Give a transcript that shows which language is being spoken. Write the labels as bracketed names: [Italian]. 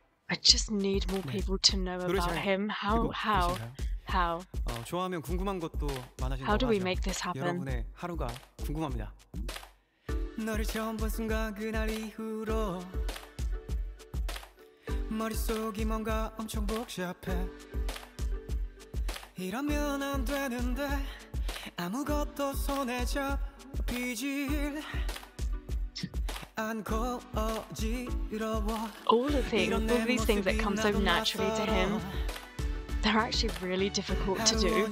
[English] I just need more people to know about him How? [Korean] 좋아하면 궁금한 것도 많아진 [English] How do we make this happen? [Korean] 여러분의 하루가 궁금합니다 너를 처음 본 순간 그날 이후로 머릿속이 뭔가 엄청 복잡해 이러면 안 되는데 아무것도 손에 잡히질 [English] All of things, all of these things that come so naturally to him, they're actually really difficult to do.